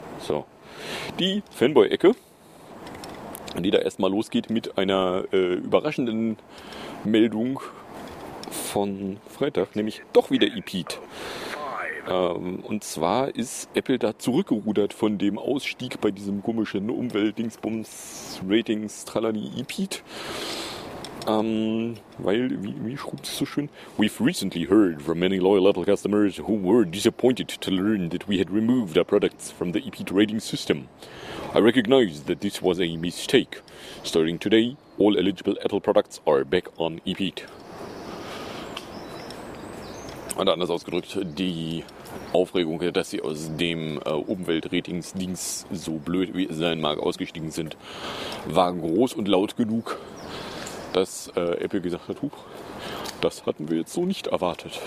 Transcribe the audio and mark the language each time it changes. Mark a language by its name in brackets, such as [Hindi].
[German] So, die Fanboy-Ecke. Die da erstmal losgeht mit einer überraschenden Meldung von Freitag, nämlich doch wieder EPEAT. Und zwar ist Apple da zurückgerudert von dem Ausstieg bei diesem komischen Umwelt-Dingsbums-Ratings-Tralani-EPEAT. Weil, wie schrubt es so schön? [English] We've recently heard from many loyal Apple customers who were disappointed to learn that we had removed our products from the EPEAT rating system. I recognize that this was a mistake. Starting today, all eligible Apple products are back on EPEAT. [German] Und anders ausgedrückt, die Aufregung, dass sie aus dem Umweltratingsdings, so blöd wie es sein mag, ausgestiegen sind, war groß und laut genug, dass Apple gesagt hat, huch, das hatten wir jetzt so nicht erwartet.